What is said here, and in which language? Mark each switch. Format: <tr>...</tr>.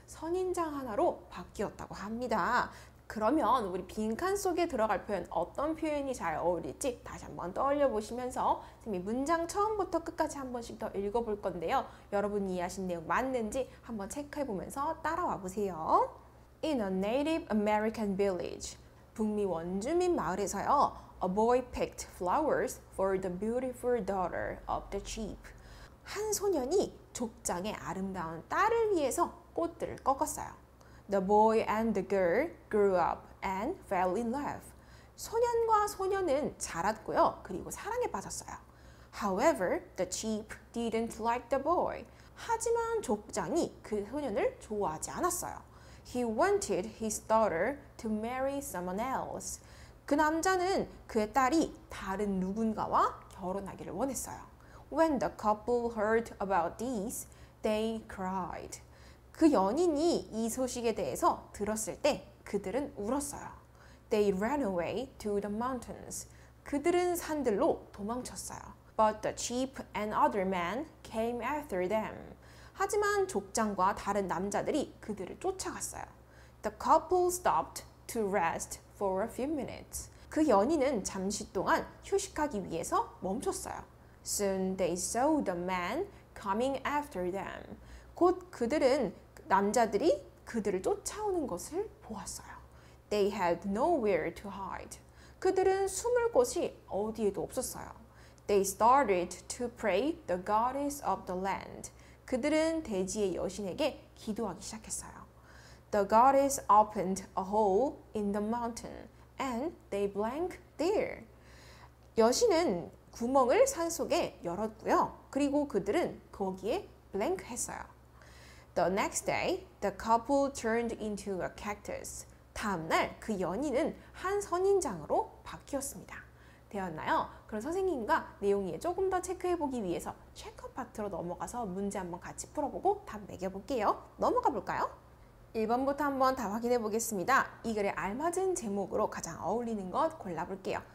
<ko>선인장 하나로 바뀌었다고 합니다. 그러면 우리 빈칸 속에 들어갈 표현 어떤 표현이 잘 어울릴지 다시 한번 떠올려 보시면서 선생님이 문장 처음부터 끝까지 한 번씩 더 읽어볼 건데요. 여러분이 이해하신 내용 맞는지 한번 체크해 보면서 따라와 보세요.</ko> <en>In a Native American village,</en> <ko>북미 원주민 마을에서요.</ko> <en>A boy picked flowers for the beautiful daughter of the chief.</en> <ko>한 소년이 족장의 아름다운 딸을 위해서 꽃들을 꺾었어요.</ko> <en>The boy and the girl grew up and fell in love.</en> <ko>소년과 소녀는 자랐고요. 그리고 사랑에 빠졌어요.</ko> <en>However, the chief didn't like the boy.</en> <ko>하지만 족장이 그 소년을 좋아하지 않았어요.</ko> <en>He wanted his daughter to marry someone else.</en> <ko>그 남자는 그의 딸이 다른 누군가와 결혼하기를 원했어요.</ko> <en>When the couple heard about this, they cried.</en> <ko>그 연인이 이 소식에 대해서 들었을 때 그들은 울었어요.</ko> <en>They ran away to the mountains.</en> <ko>그들은 산들로 도망쳤어요.</ko> <en>But the chief and other men came after them.</en> <ko>하지만 족장과 다른 남자들이 그들을 쫓아갔어요.</ko> <en>The couple stopped to rest for a few minutes.</en> <ko>그 연인은 잠시 동안 휴식하기 위해서 멈췄어요.</ko> <en>Soon they saw the man coming after them.</en> <ko>곧 그들은 남자들이 그들을 쫓아오는 것을 보았어요.</ko> <en>They had nowhere to hide.</en> <ko>그들은 숨을 곳이 어디에도 없었어요.</ko> <en>They started to pray the goddess of the land.</en> <ko>그들은 대지의 여신에게 기도하기 시작했어요.</ko> <en>The goddess opened a hole in the mountain and they blank there.</en> <ko>여신은 구멍을 산속에 열었고요. 그리고 그들은 거기에 blank 했어요.</ko> <en>The next day, the couple turned into a cactus.</en> <ko>다음날 그 연인은 한 선인장으로 바뀌었습니다. 되었나요? 그럼 선생님과 내용 위에 조금 더 체크해보기 위해서 체크 파트로 넘어가서 문제 한번 같이 풀어보고 답 매겨볼게요. 넘어가 볼까요? 1번부터 한번 다 확인해 보겠습니다. 이 글에 알맞은 제목으로 가장 어울리는 것 골라볼게요.</ko>